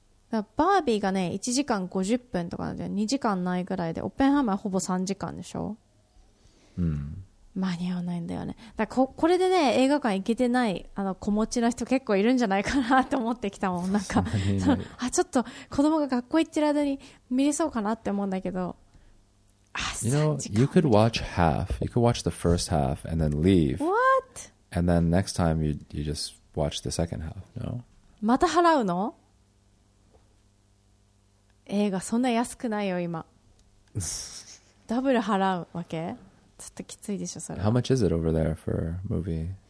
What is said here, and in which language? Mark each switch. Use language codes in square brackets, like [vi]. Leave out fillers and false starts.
[ja] バービーがね1時間50分とかなんで2時間ないぐらいで、オッペンハイマーはほぼ3時間でしょ、うん、間に合わないんだよね。だから これでね映画館行けてないあの子持ちの人結構いるんじゃないかなと思ってきたもん。なんかあ、ちょっと子供が学校行ってる間に見れそうかなって思うんだけど、あ、3時間。 [en] You know, you could watch half. You could watch the first half and then leave. What? And then next time you just watch the second half, no? [ja] また払うの？映画そんな安くないよ今ダブル払うわけ、ちょっときついでしょそれ。 [en] How much is it over there for a movie?